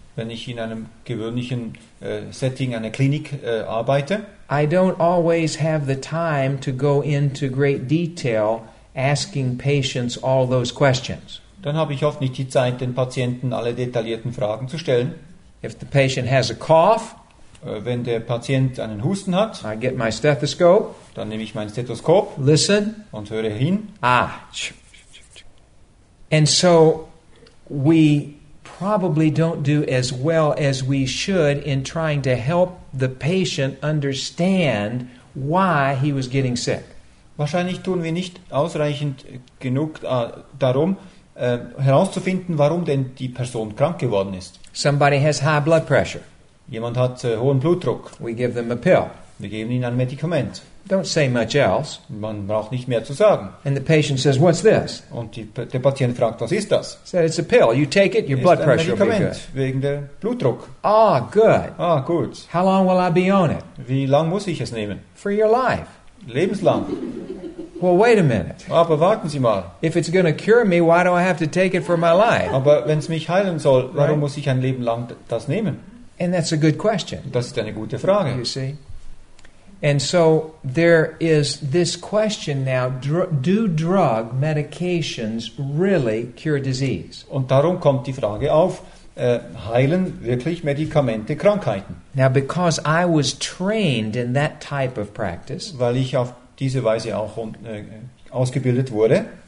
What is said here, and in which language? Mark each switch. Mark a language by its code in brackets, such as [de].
[de] wenn ich in einem gewöhnlichen Setting einer Klinik arbeite, [en] I don't always have the time to go into great detail asking patients all those questions. [de] Dann habe ich oft nicht die Zeit, den Patienten alle detaillierten Fragen zu stellen. [en] If the patient has a cough, [de] wenn der Patient einen Husten hat, [en] I get my stethoscope, [de] dann nehme ich mein Stethoskop, [en] listen, [de] und höre hin. Ah. [en] And so we probably don't do as well as we should in trying to help the patient understand why he was getting sick. [de] Wahrscheinlich tun wir nicht ausreichend genug darum, herauszufinden, warum denn die Person krank geworden ist. [en] Somebody has high blood pressure. [de] Jemand hat hohen Blutdruck. [en] We give them a pill. [de] Wir geben ihnen ein Medikament. [en] Don't say much else. [de] Man braucht nicht mehr zu sagen. [en] And the patient says, what's this? [de] Und der Patient fragt, was ist das? [en] So it's a pill. You take it, your blood pressure will be good. [de] Ist ein Medikament wegen der Blutdruck. [en] Ah, good. [de] Ah, gut. [en] How long will I be on it? [de] Wie lang muss ich es nehmen? [en] For your life. [de] Lebenslang. [en] Well, wait a minute. [de] Aber warten Sie mal. [en] If it's going to cure me, why do I have to take it for my life? [de] Aber wenn's mich heilen soll, warum right? muss ich ein Leben lang das nehmen? [en] And that's a good question. [de] Das ist eine gute Frage. [en] You see? And so there is this question now, do drug medications really cure disease? [de] Und darum kommt die Frage auf, heilen wirklich Medikamente Krankheiten? [en] Now, because I was trained in that type of practice, [de] weil ich auf diese Weise auch ausgebildet wurde,